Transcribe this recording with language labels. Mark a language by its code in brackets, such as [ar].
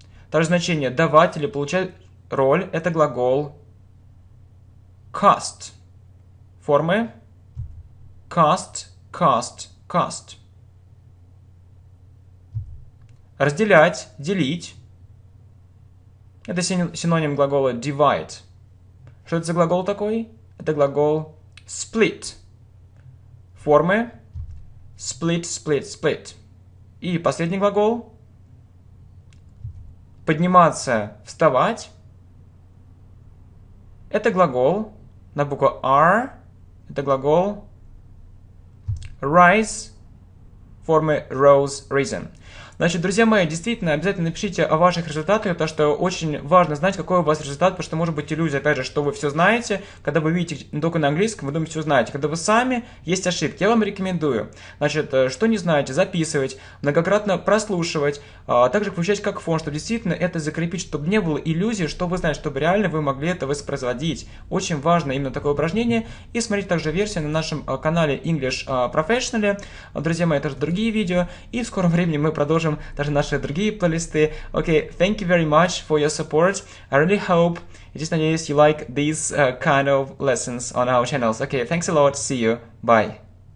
[ru] То же значение давать или получать роль. Это глагол cast. Формы [en] cast, cast, cast. [ru] Разделять, делить. Это синоним глагола divide. Что это за глагол такой? Это глагол split. Формы [en] split, split, split. [ru] И последний глагол. Подниматься, вставать. Это глагол на букву R. Это глагол [en] rise. Формы rose, risen. [ru] Значит, друзья мои, действительно, обязательно напишите о ваших результатах, потому что очень важно знать, какой у вас результат, потому что может быть иллюзия, опять же, что вы все знаете, когда вы видите только на английском, вы думаете, все знаете. Когда вы сами, есть ошибки. Я вам рекомендую, значит, что не знаете, записывать, многократно прослушивать, а также включать как фон, чтобы действительно это закрепить, чтобы не было иллюзии, что вы знаете, чтобы реально вы могли это воспроизводить. Очень важно именно такое упражнение. И смотрите также версию на нашем канале English Professionally. Друзья мои, это же другие видео. И в скором времени мы продолжим даже наши другие плейлисты. [en] Okay, thank you very much for your support. I really hope, just in case you like these kind of lessons on our channels. Okay, thanks a lot. See you. Bye.